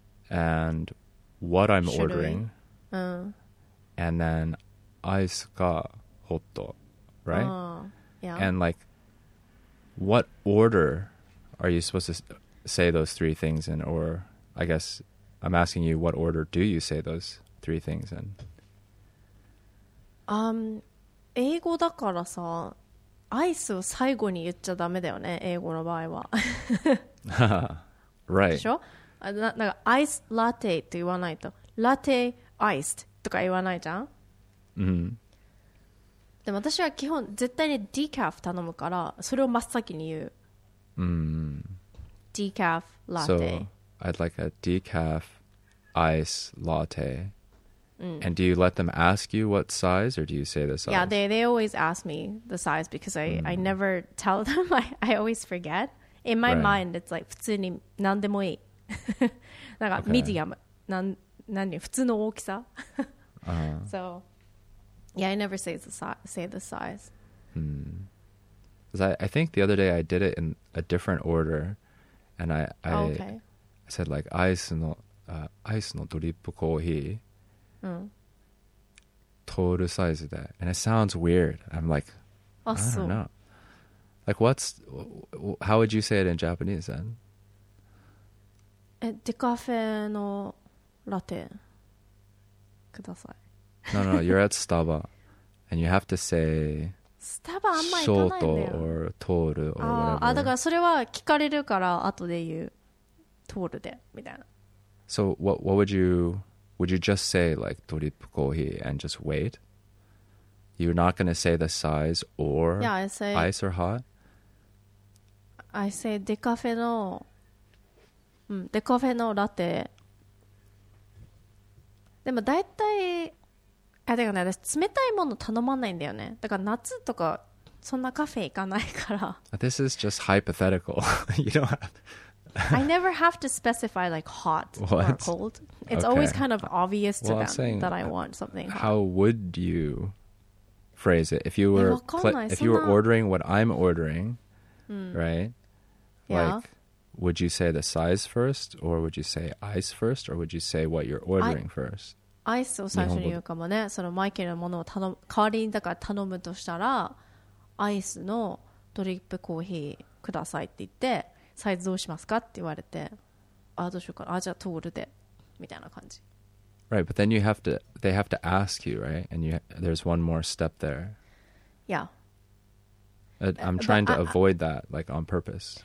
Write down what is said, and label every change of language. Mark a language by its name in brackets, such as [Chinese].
[English] and what I'm ordering, and then [Japanese] ice ka hotto, [English] right? And like, what order are you supposed to say those three things in? Or I guess I'm asking you, what order do you say those three things in? [Japanese] 英語だからさ、アイスを最後に言っちゃダメだよね、英語の場合は。 [English] Right. [Japanese] でしょ? なんかアイスラテって言わないとラテアイスとか言わないじゃん、うん、でも私は基本絶対にディカフ頼むからそれを真っ先に言う、ディカフラテ、 [English] so I'd like a decaf ice latte、and do you let them ask you what size or do you say the size? Yeah, they always ask me the size because I never tell them. I always forget. In my mind, it's like [Japanese] 普通に何でもいい。なんかミディアム、なん、何、普通の大きさ。 [English] So, yeah, I never say the size. I think the other day I did it in a different order and I said like [Japanese] アイスのドリップコーヒー。トールサイズで、 [English] and it sounds weird. I'm like, I don't know. Like, how would you say it in Japanese then? [Japanese] デカフェのラテください。 [English] No, you're at Staba, and you have to say. [Japanese] スタバあんま行かないね。 [English] ショート or トール or whatever. [Japanese] だからそれは聞かれるから後で言う。トールでみたいな。 [English] So what would you? Would you just say like ドリップコーヒー and just wait? You're not going to say the size or ice or hot? I say [Japanese] デカフェの、デカフェのラテ。でも大体、あ、だからね、私冷たいもの頼まないんだよね。だから夏とかそんなカフェ行かないから。 [English] This is just hypothetical. You don't have to... I never have to specify like hot or cold. It's always kind of obvious to them that I want something hot. How would you phrase it? If you were ordering what I'm ordering, right? Yeah. Like, would you say the size first or would you say ice first or would you say what you're ordering first? [Japanese] アイスを最初に言うかもね。そのマイケルのものを頼む、代わりにだから頼むとしたら、アイスのドリップコーヒーくださいって言って、サイズどうしますかって言われて、あ、どうしようかな、あ、じゃあトールでみたいな感じ。 [English] Right, but then you have to, they have to ask you, right? And you, there's one more step there. Yeah. I'm trying to avoid that, like on purpose.